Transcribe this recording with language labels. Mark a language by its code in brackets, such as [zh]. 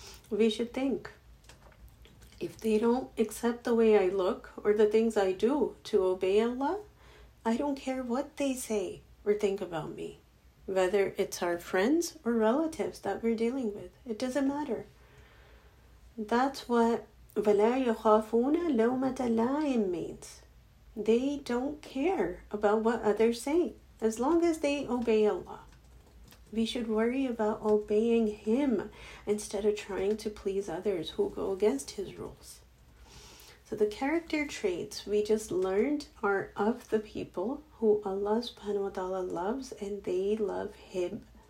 [en] We should think, if they don't accept the way I look or the things I do to obey Allah, I don't care what they say or think about me. Whether it's our friends or relatives that we're dealing with, it doesn't matter. That's what [ar] وَلَا يَخَافُونَ لَوْمَةَ لَائِمْ [en] means. They don't care about what others say, as long as they obey Allah. We should worry about obeying Him instead of trying to please others who go against His rules. So the character traits we just learned are of the people who Allah subhanahu wa ta'ala loves and they love Him.